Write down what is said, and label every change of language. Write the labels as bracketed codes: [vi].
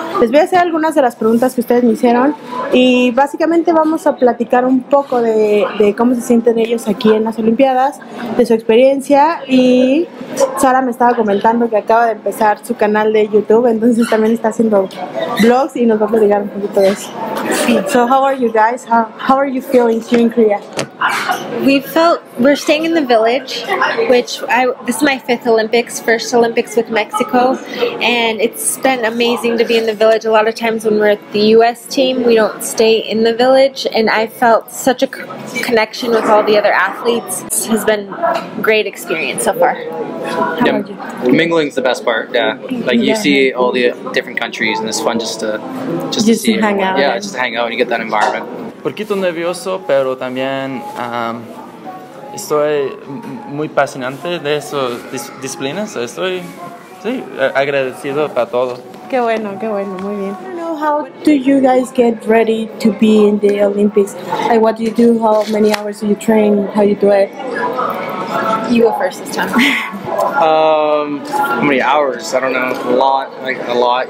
[es] Les voy a hacer algunas de las preguntas que ustedes me hicieron y básicamente vamos a platicar un poco de cómo se sienten ellos aquí en las Olimpiadas, de su experiencia. Y Sara me estaba comentando que acaba de empezar su canal de YouTube, entonces también está haciendo vlogs y nos va a platicar un poquito de eso. [en] So how are you guys? How are you feeling here in Korea? We're staying in the village, which this is my fifth Olympics, first Olympics with Mexico, and it's been amazing to be in the village. A lot of times when we're at the U.S. team, we don't stay in the village, and I felt such a connection with all the other athletes. This has been a great experience so far. Yeah. Mingling is the best part. Yeah, like you see all the different countries, and it's fun just to see. Just hang out. Yeah, just to hang out, and you get that environment. [es] Poquito nervioso, pero también estoy muy fascinante de esas disciplinas. Estoy agradecido para todo. Qué bueno, muy bien. [en] I don't know, how do you guys get ready to be in the Olympics? Like, what do you do? How many hours do you train? How you do it? You go first this time. How many hours? I don't know. A lot.